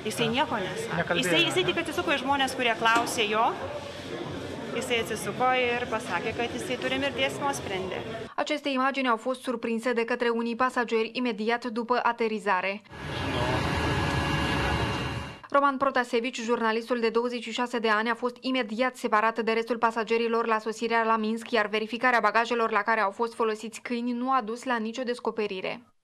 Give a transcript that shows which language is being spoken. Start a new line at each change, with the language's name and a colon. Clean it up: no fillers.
Lithuanian: Если не понял, если ты хотел сколько жмоня, сколько клауси, ее. Jisai atsisuko ir pasakė, kad jisai turi mirties nuosprendį.
Romanian: Aceste imagini au fost surprinse de către unii pasageri imediat după aterizare. Roman Protasevici, jurnalistul de 26 de ani, a fost imediat separat de restul pasagerilor la sosirea la Minsk, iar verificarea bagajelor la care au fost folosiți câini nu a dus la nicio descoperire.